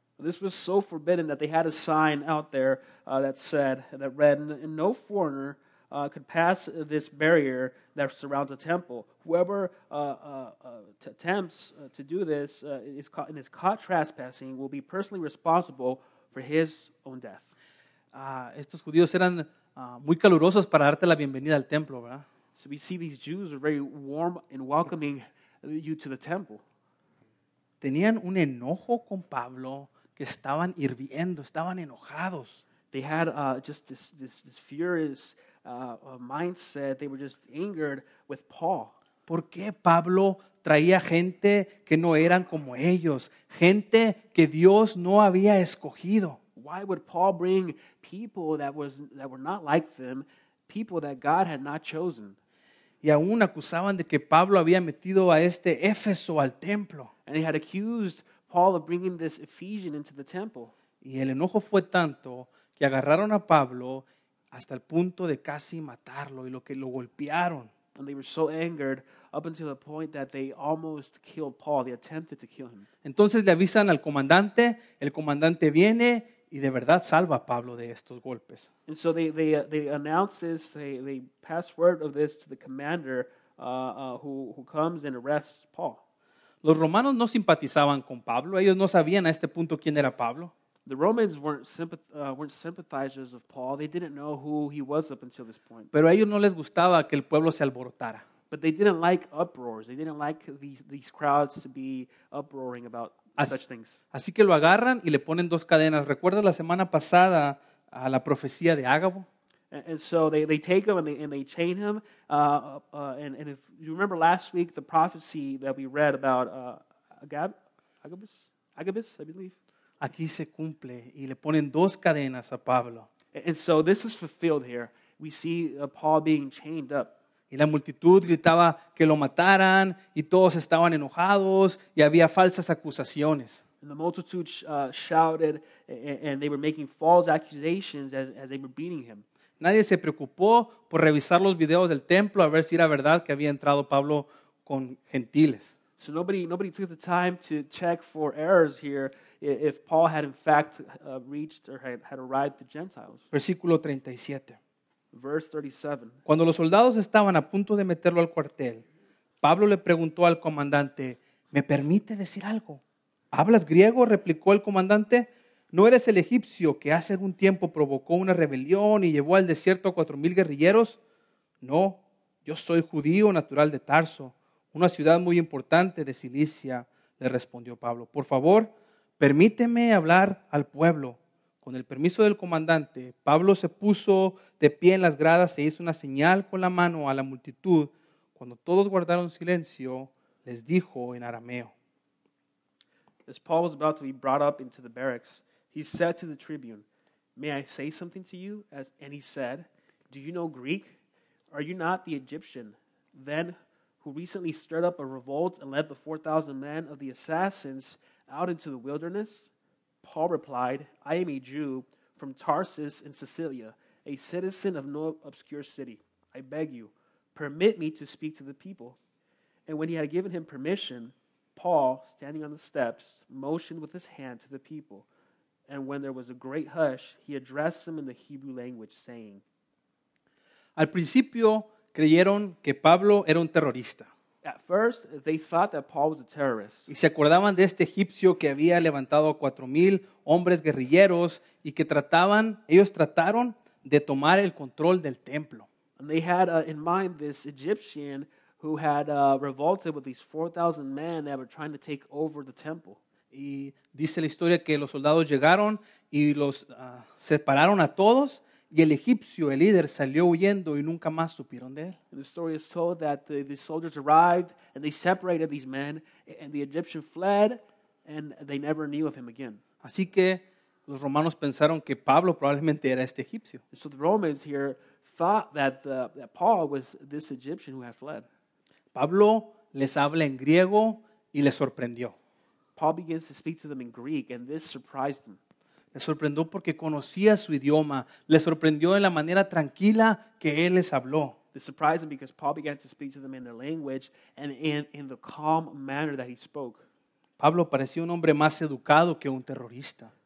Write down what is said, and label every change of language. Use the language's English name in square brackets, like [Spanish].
[English] This was so forbidden that they had a sign out there that read, no foreigner could pass this barrier that surrounds the temple. Whoever attempts to do this is caught trespassing will be personally responsible for his own death. [Spanish] Estos judíos eran muy calurosos para darte la bienvenida al templo, ¿verdad? [English] So we see these Jews are very warm in welcoming you to the temple. [Spanish] Tenían un enojo con Pablo que estaban hirviendo, estaban enojados. [English] They had just this furious mindset. They were just angered with Paul. [Spanish] ¿Por qué Pablo traía gente que no eran como ellos? Gente que Dios no había escogido. [English] Why would Paul bring people that were not like them, people that God had not chosen? [Spanish] Y aún acusaban de que Pablo había metido a este Éfeso al templo. [English] And they had accused Paul of bringing this Ephesian into the temple. [Spanish] Y el enojo fue tanto que agarraron a Pablo hasta el punto de casi matarlo y lo golpearon. [English] And they were so angered up until the point that they almost killed Paul. They attempted to kill him. [Spanish] Entonces le avisan al comandante. El comandante viene y de verdad salva a Pablo de estos golpes. [English] And so they announce this. They pass word of this to the commander who comes and arrests Paul. [Spanish] Los romanos no simpatizaban con Pablo. Ellos no sabían a este punto quién era Pablo. [English] The Romans weren't sympathizers of Paul. They didn't know who he was up until this point. [Spanish] Pero a ellos no les gustaba que el pueblo se alborotara. [English] But they didn't like uproars. They didn't like these crowds to be uproaring about such things. [Spanish] Así que lo agarran y le ponen dos cadenas. ¿Recuerdas la semana pasada a la profecía de Ágabo? [English] And so they take him and they chain him. And if you remember last week, the prophecy that we read about Agabus, I believe. [Spanish] Aquí se cumple y le ponen dos cadenas a Pablo. [English] And so this is fulfilled here. We see Paul being chained up. [Spanish] Y la multitud gritaba que lo mataran y todos estaban enojados y había falsas acusaciones. [English] And the multitude shouted and they were making false accusations as they were beating him. [Spanish] Nadie se preocupó por revisar los videos del templo a ver si era verdad que había entrado Pablo con gentiles. [English] So nobody took the time to check for errors here. If Paul had in fact reached or had arrived the Gentiles. [Spanish] Versículo 37. [English] Verse 37. [Spanish] Cuando los soldados estaban a punto de meterlo al cuartel, Pablo le preguntó al comandante, ¿me permite decir algo? ¿Hablas griego? Replicó el comandante. ¿No eres el egipcio que hace algún tiempo provocó una rebelión y llevó al desierto a 4,000 guerrilleros? No, yo soy judío natural de Tarso, una ciudad muy importante de Cilicia, le respondió Pablo. Por favor, permíteme hablar al pueblo. Con el permiso del comandante, Pablo se puso de pie en las gradas e hizo una señal con la mano a la multitud. Cuando todos guardaron silencio, les dijo en arameo. [English] As Paul was about to be brought up into the barracks, he said to the tribune, "May I say something to you?" And he said, "Do you know Greek? Are you not the Egyptian then who recently stirred up a revolt and led the 4,000 men of the assassins out into the wilderness?" Paul replied, "I am a Jew from Tarsus in Cilicia, a citizen of no obscure city. I beg you, permit me to speak to the people." And when he had given him permission, Paul, standing on the steps, motioned with his hand to the people. And when there was a great hush, he addressed them in the Hebrew language, saying, [Spanish] Al principio creyeron que Pablo era un terrorista. [English] At first, they thought that Paul was a terrorist. [Spanish] Y se acordaban de este egipcio que había levantado 4,000 hombres guerrilleros y que ellos trataron de tomar el control del templo. [English] And they had in mind this Egyptian who had revolted with these 4,000 men that were trying to take over the temple. [Spanish] Y dice la historia que los soldados llegaron y los separaron a todos. Y el egipcio, el líder, salió huyendo y nunca más supieron de él. [English] And the story is told that the soldiers arrived and they separated these men. And the Egyptian fled and they never knew of him again. [Spanish] Así que los romanos pensaron que Pablo probablemente era este egipcio. [English] And so the Romans here thought that, that Paul was this Egyptian who had fled. [Spanish] Pablo les habla en griego y les sorprendió. [English] Paul begins to speak to them in Greek and this surprised them. [Spanish] Les sorprendió porque conocía su idioma. Les sorprendió en la manera tranquila que él les habló. [English] This surprised them because Paul began to speak to them in their language and in the calm manner that he spoke. [Spanish] Pablo parecía un hombre más educado que un terrorista.